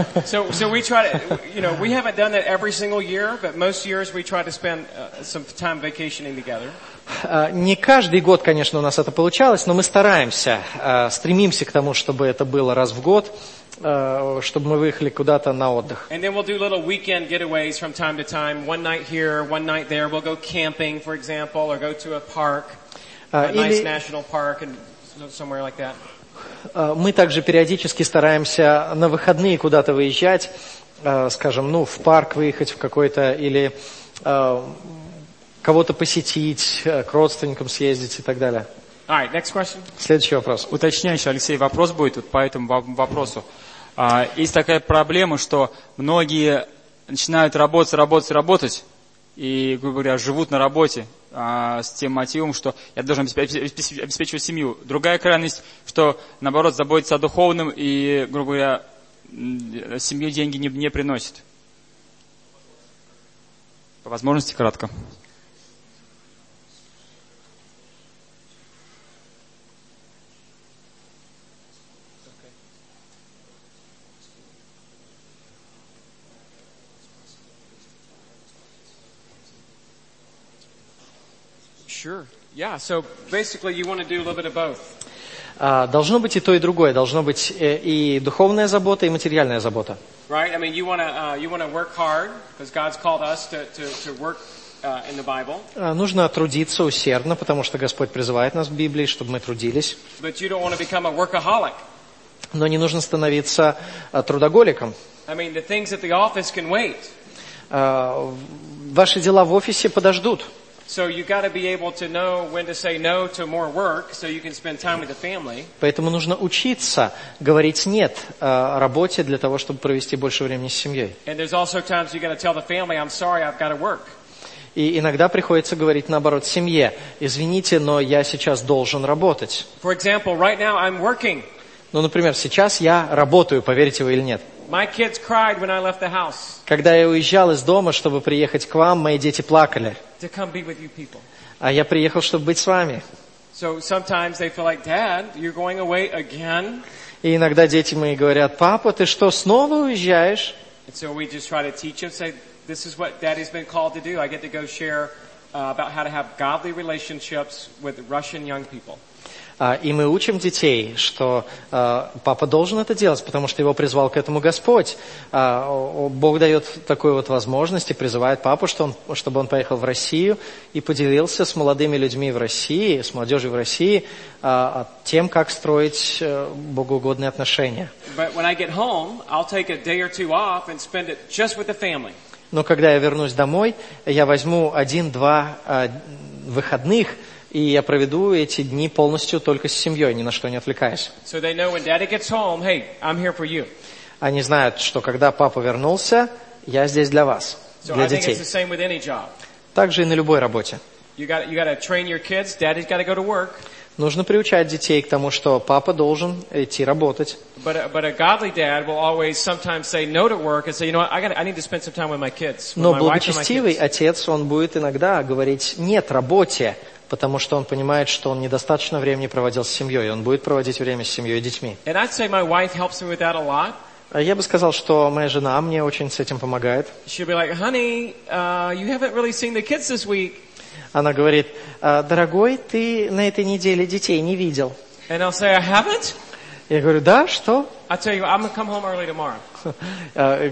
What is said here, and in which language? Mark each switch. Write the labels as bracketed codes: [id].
[en] So we try to, you know, we haven't done that every single year, but most years we try to spend some time vacationing together. [ru] Не каждый год, конечно, у нас это получалось, но мы стараемся, стремимся к тому, чтобы это было раз в год, чтобы мы выехали куда-то на отдых. [en] And then we'll do little weekend getaways from time to time, one night here, one night there. We'll go camping, for example, or go to a park, nice national park, and somewhere like that. [ru] Мы также периодически стараемся на выходные куда-то выезжать, скажем, ну, в парк выехать в какой-то, или кого-то посетить, к родственникам съездить и так далее. [en] All right, next question. [ru] Следующий вопрос. Уточняющий, Алексей, вопрос будет вот по этому вопросу. Есть такая проблема, что многие начинают работать, и, грубо говоря, живут на работе с тем мотивом, что я должен обеспечивать семью. Другая крайность, что, наоборот, заботиться о духовном и, грубо говоря, семье деньги не приносит. По возможности, кратко. [en] Sure. Yeah, so basically you want to do a little bit of both. [ru] Должно быть и то, и другое. Должно быть и духовная забота, и материальная забота. [en] Right? I mean, you want to work hard, because God's called us to work in the Bible. [ru] Нужно трудиться усердно, потому что Господь призывает нас в Библии, чтобы мы трудились. [en] But you don't want to become a workaholic. [ru] Но не нужно становиться трудоголиком. [en] I mean, the things at the office can wait. [ru] Ваши дела в офисе подождут. [en] So you got to be able to know when to say no to more work, so you can spend time with the family. [ru] Поэтому нужно учиться говорить нет работе для того, чтобы провести больше времени с семьей. [en] And there's also times you got to tell the family, I'm sorry, I've got to work. [ru] И иногда приходится говорить наоборот семье: извините, но я сейчас должен работать. [en] For example, right now I'm working. [ru] Ну, например, сейчас я работаю, поверите вы или нет. [en] My kids cried when I left the house. [ru] Когда я уезжал из дома, чтобы приехать к вам, мои дети плакали. [en] To come be with you people. [ru] А я приехал, чтобы быть с вами. [en] So sometimes they feel like, Dad, you're going away again. [ru] И иногда дети мои говорят: папа, ты что, снова уезжаешь? [en] And so we just try to teach them, say, this is what Daddy's been called to do. I get to go share about how to have godly relationships with Russian young people. [ru] И мы учим детей, что папа должен это делать, потому что его призвал к этому Господь. Бог дает такую вот возможность и призывает папу, чтобы он поехал в Россию и поделился с молодыми людьми в России, с молодежью в России, тем, как строить богоугодные отношения. Но когда я вернусь домой, я возьму один-два выходных, и я проведу эти дни полностью только с семьей, ни на что не отвлекаясь. [en] So they know when Daddy gets home, hey, I'm here for you. [ru] Они знают, что когда папа вернулся, я здесь для вас, [en] so [ru] для [en] I [ru] детей. [en] Think it's the same with any job. [ru] Так же и на любой работе. [en] You gotta train your kids. Daddy's gotta go to work. [ru] Нужно приучать детей к тому, что папа должен идти работать. [en] But a godly dad will always sometimes say no to work and say, you know what, I need to spend some time with my kids. [ru] Но благочестивый отец, он будет иногда говорить нет работе, потому что он понимает, что он недостаточно времени проводил с семьей, и он будет проводить время с семьей и детьми. [en] And I'd say my wife helps me with that a lot. [ru] Я бы сказал, что моя жена мне очень с этим помогает. [en] She'd be like, honey, you haven't really seen the kids this week. [ru] Она говорит: дорогой, ты на этой неделе детей не видел. [en] And I'll say, I haven't. [ru] Я говорю: да, что? [en] I tell you, I'm gonna come home early tomorrow.